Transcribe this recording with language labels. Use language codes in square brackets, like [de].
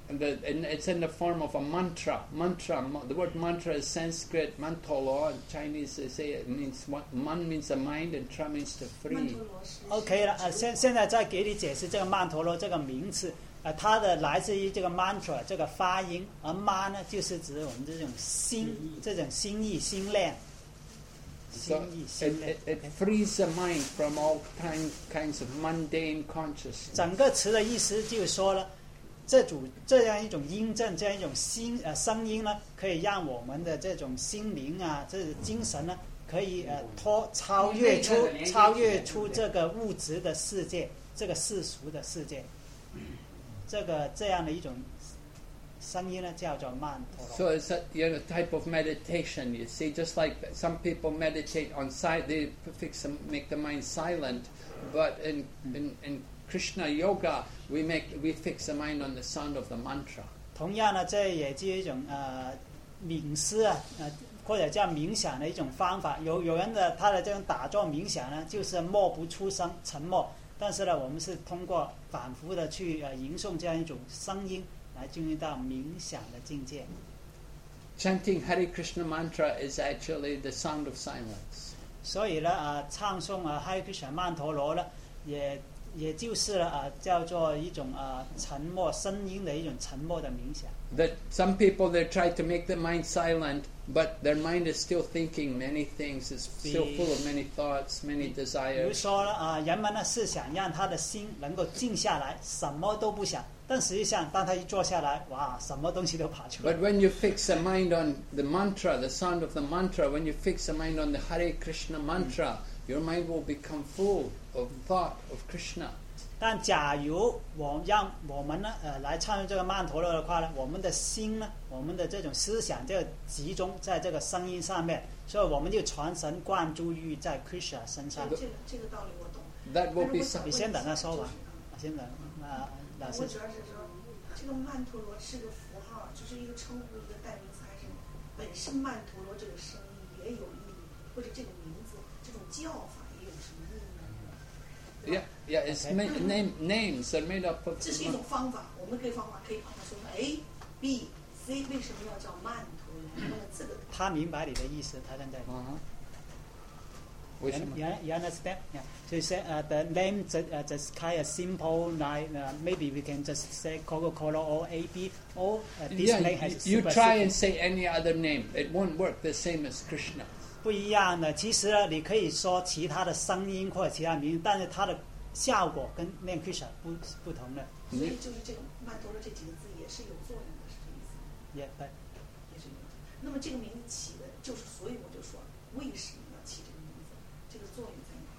[en] And it's in the form of a mantra. Mantra. The word mantra is Sanskrit mantolo. In Chinese, they say it means man means the mind and tra means the free. [zh] OK 了，现在再给你解释这个曼陀罗这个名词，它的来自于这个 mantra 这个发音，而 man 呢就是指我们这种心，这种心意、心念。 [en] So it frees the mind from all kinds of mundane consciousness. [zh] 整个词的意思就是说了。这样一种音振，这样一种声音呢，可以让我们的这种心灵啊，这种精神呢，可以超越出这个物质的世界，这个世俗的世界。这个这样的一种声音呢，叫做曼陀罗。 [en] So it's a you know, type of meditation. You see, just like some people meditate on silent, they fix them, make the mind silent, but in Krishna yoga, we fix the mind on the sound of the mantra. [zh] 同样呢，这也是一种冥思啊，或者叫冥想的一种方法。有人的他的这种打坐冥想呢，就是默不出声，沉默。但是呢，我们是通过反复的去吟诵这样一种声音，来进入到冥想的境界。 [en] Chanting Hare Krishna mantra is actually the sound of silence. [zh] 所以呢，唱诵Hare Krishna曼陀罗呢，也就是叫做一种沉默声音的一种沉默的冥想。 [en] That some people they try to make the mind silent, but their mind is still thinking many things. It's still full of many thoughts, many desires. [zh] 比如说人们呢是想让他的心能够静下来，什么都不想。但实际上，当他一坐下来，哇，什么东西都跑出来。 [en] But when you fix the mind on the mantra, the sound of the mantra, when you fix the mind on the Hare Krishna mantra. Your mind will become full of thought of Krishna. [zh] 但假如我让我们呢来参与这个曼陀罗的话呢，我们的心呢，我们的这种思想就集中在这个声音上面，所以我们就全神贯注于在 Krishna 身上。这个道理我懂。 [en] That will be something. [zh] 你先等他说吧，我主要是说，这个曼陀罗是个符号，就是一个称呼，一个代名词，还是本身曼陀罗这个声音也有意义，或者这个名字，这种叫法也有什么意义？ [en] Yeah, yeah, it's made, names are made up of... [zh] 这是一种方法，我们可以方法可以把它说成 A, B, C, 为什么要叫曼陀罗？他明白你的意思，他现在。 [en] You understand? Yeah. So you say the name just kind of simple, like maybe we can just say Coca-Cola or AB, or this yeah, name has you try and say any other name, it won't work the same as Krishna. [zh] 不一样的，其实你可以说其他的声音或者其他名，但是它的效果跟念 Krishna 不同的。所以就是这个曼陀罗这几个字也是有作用的，是这意思。 Yeah, 对。也是有作用。那么这个名字起的，就是所以我就说，为什么要起这个名字？这个作用在哪？